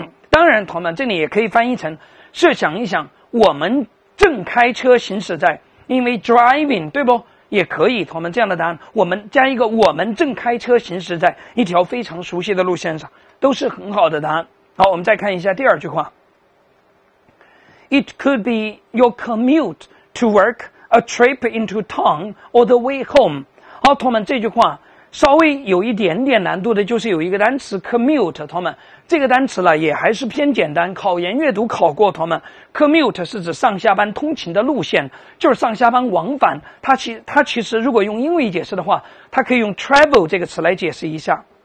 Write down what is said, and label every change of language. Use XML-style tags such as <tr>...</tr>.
<zh>当然，同学们，这里也可以翻译成设想一想，我们正开车行驶在，因为 driving 对不？也可以，同学们，这样的答案，我们加一个，我们正开车行驶在一条非常熟悉的路线上，都是很好的答案。好，我们再看一下第二句话。</zh> <en>It could be your commute to work, a trip into town, or the way home.</en> <zh>好，同学们，这句话稍微有一点点难度的，就是有一个单词 commute。同学们，这个单词呢也还是偏简单，考研阅读考过。同学们 ，commute 是指上下班通勤的路线，就是上下班往返。它其实如果用英语解释的话，它可以用 travel 这个词来解释一下。</zh>